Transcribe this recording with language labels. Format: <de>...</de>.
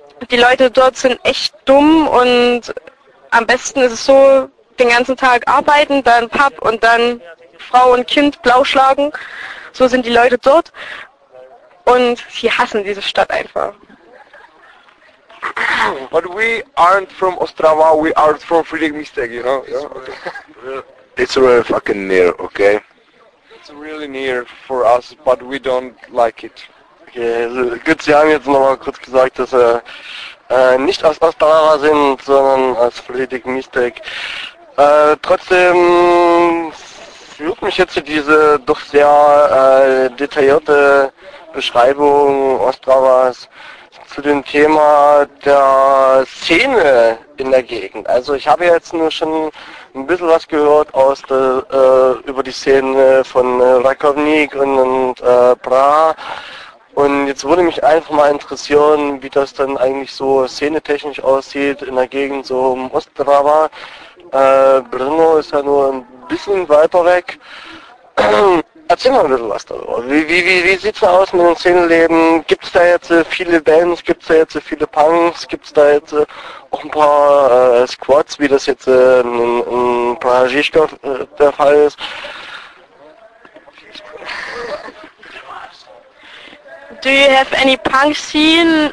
<de>Die Leute dort sind echt dumm und am besten ist es so, den ganzen Tag arbeiten, dann Pub und dann Frau und Kind blauschlagen. So sind die Leute dort. Und sie hassen diese Stadt einfach.</de> <en>But we aren't from Ostrava, we are from Friedrich Mistek, you know? It's really fucking near, okay? It's really near for us, but we don't like it.</en> <de>Okay, gut, Sie haben jetzt nochmal kurz gesagt, dass nicht aus Ostrava sind, sondern aus Friedrich Mistek. Trotzdem fühlt mich jetzt diese doch sehr detaillierte Beschreibung Ostravas zu dem Thema der Szene in der Gegend. Also ich habe jetzt nur schon ein bisschen was gehört aus der, über die Szene von Rakovnik und Bra. Und jetzt würde mich einfach mal interessieren, wie das dann eigentlich so szenetechnisch aussieht in der Gegend so um Ostrava. Brno ist ja nur ein bisschen weiter weg. Erzähl mal ein bisschen was darüber. Wie sieht's da aus mit dem Szeneleben? Gibt's da jetzt viele Bands? Gibt's da jetzt viele Punks? Gibt's da jetzt auch ein paar Squads, wie das jetzt in Pražiška der Fall ist?</de> <en>Do you have any punk scene?</en>